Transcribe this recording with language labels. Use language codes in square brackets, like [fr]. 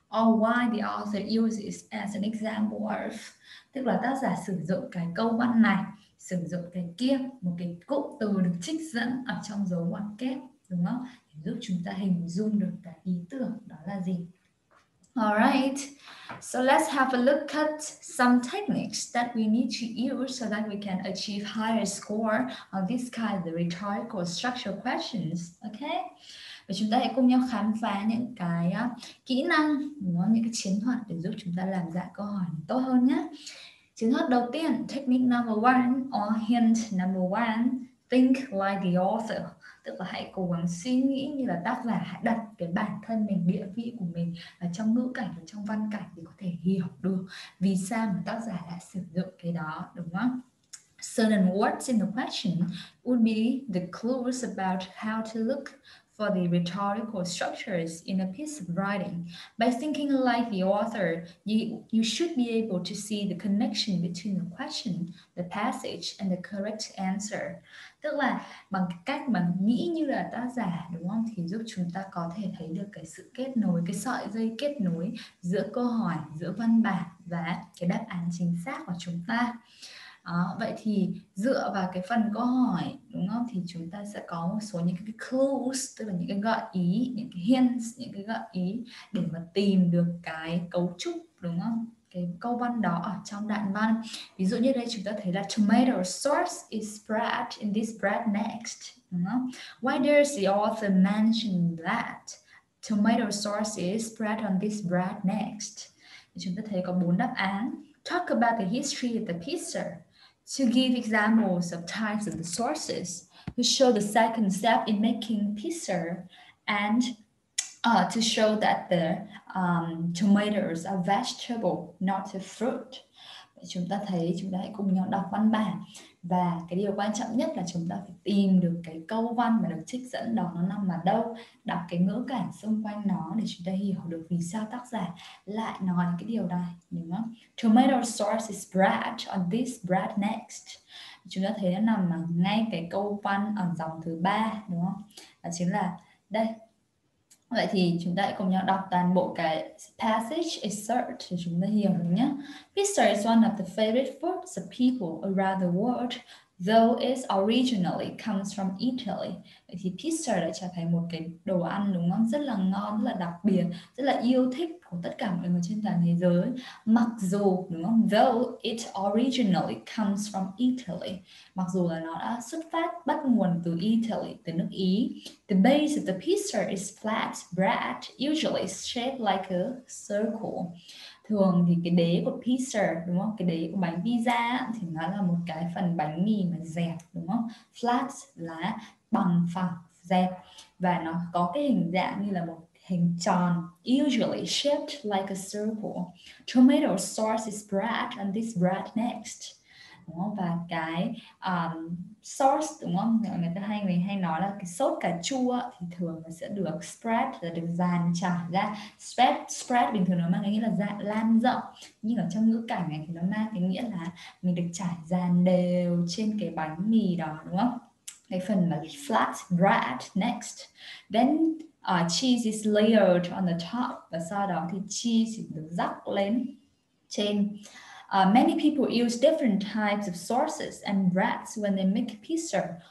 [en] Or why the author uses as an example of. [vi] Tức là tác giả sử dụng cái câu văn này, sử dụng cái kia, một cái cụm từ được trích dẫn ở trong dấu ngoặc kép, đúng không? Để giúp chúng ta hình dung được cái ý tưởng đó là gì. [en] Alright, so let's have a look at some techniques that we need to use so that we can achieve higher score on this kind of rhetorical structural questions, okay? [vi] Và chúng ta hãy cùng nhau khám phá những cái kỹ năng, đúng không? Những cái chiến thuật để giúp chúng ta làm dạng câu hỏi tốt hơn nhé. Chiến thuật đầu tiên, [en] technique number one or hint number one, think like the author. [vi] Tức là hãy cố gắng suy nghĩ như là tác giả, hãy đặt cái bản thân mình, địa vị của mình ở trong ngữ cảnh và trong văn cảnh để có thể hiểu được vì sao mà tác giả lại sử dụng cái đó, đúng không? [en] Certain words in the question would be the clues about how to look for the rhetorical structures in a piece of writing. By thinking like the author, you should be able to see the connection between the question, the passage, and the correct answer. [vi] Tức là bằng cách mà nghĩ như là tác giả, đúng không, thì giúp chúng ta có thể thấy được cái sự kết nối, cái sợi dây kết nối giữa câu hỏi, giữa văn bản và cái đáp án chính xác của chúng ta. Đó, vậy thì dựa vào cái phần câu hỏi đúng không, thì chúng ta sẽ có một số những cái clues, tức là những cái gợi ý, những cái hints, những cái gợi ý để mà tìm được cái cấu trúc đúng không, cái câu văn đó ở trong đoạn văn. Ví dụ như đây chúng ta thấy là [en] tomato sauce is spread in this bread next [vi] đúng không, [en] why does the author mention that tomato sauce is spread on this bread next. [vi] Chúng ta thấy có bốn đáp án. [en] Talk about the history of the pizza. To give examples of types of the sources, to show the second step in making pizza, and to show that the tomatoes are vegetable, not a fruit. [vi] Chúng ta thấy chúng ta hãy cùng nhau đọc văn bản, và cái điều quan trọng nhất là chúng ta phải tìm được cái câu văn mà được trích dẫn đó nó nằm ở đâu, đọc cái ngữ cảnh xung quanh nó để chúng ta hiểu được vì sao tác giả lại nói cái điều này đúng không. [en] Tomato sauce is spread on this bread next, [vi] chúng ta thấy nó nằm ở ngay cái câu văn ở dòng thứ ba đúng không, đó chính là đây. Vậy thì chúng ta hãy cùng nhau đọc toàn bộ cái passage excerpt thì chúng ta hiểu nhé. [en] Pizza is one of the favorite foods of people around the world, though it originally comes from Italy. [vi] Vậy thì pizza đã trở thành một cái đồ ăn đúng không? Rất là ngon, rất là đặc biệt, rất là yêu thích của tất cả mọi người trên toàn thế giới. Mặc dù đúng không? [en] Though it originally comes from Italy. [vi] Mặc dù là nó đã xuất phát bắt nguồn từ Italy, từ nước Ý. [en] The base of the pizza is flat bread, usually shaped like a circle. [vi] Thường thì cái đế của pizza đúng không, cái đế của bánh pizza thì nó là một cái phần bánh mì mà dẹp đúng không, flat là bằng phẳng dẹp, và nó có cái hình dạng như là một hình tròn, [en] usually shaped like a circle. Tomato sauce is spread on this bread next [vi] đúng không? Và cái sauce đúng không, người ta hay mình hay nói là cái sốt cà chua thì thường nó sẽ được spread, là được dàn trải ra. Spread spread bình thường nó mang cái nghĩa là dạng lan rộng, nhưng ở trong ngữ cảnh này thì nó mang cái nghĩa là mình được trải dàn đều trên cái bánh mì đó đúng không, cái phần mà flat bread next. [en] Then cheese is layered on the top, [vi] và sau đó thì cheese thì được rắc lên trên. [en] Many people use different types of sauces and breads when they make pizza.